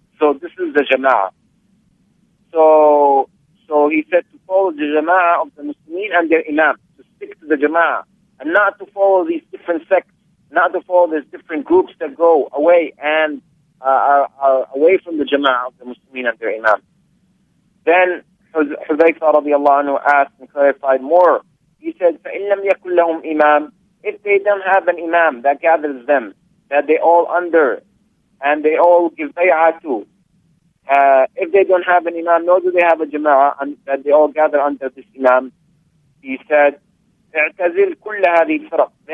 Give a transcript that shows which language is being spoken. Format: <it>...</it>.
<en>So this is the jama'ah. So he said to follow the jama'ah of the Muslimin and their imam, to stick to the jama'ah, and not to follow these different sects, not to follow these different groups that go away and are away from the jama'ah of the Muslimin and their imam. Then Hudayfa radiallahu anhu asked and clarified more. He said,</en> <ar>فَإِن لَمْ يَكُلْ لَهُمْ إِمَامٌ.</ar> <en>If they don't have an imam that gathers them, that they all under, and they all give bay'ah to, if they don't have an imam, nor do they have a jama'ah, and that they all gather under this imam, he said,</en> <ar>اعتزل كل هذه الفرق.</ar>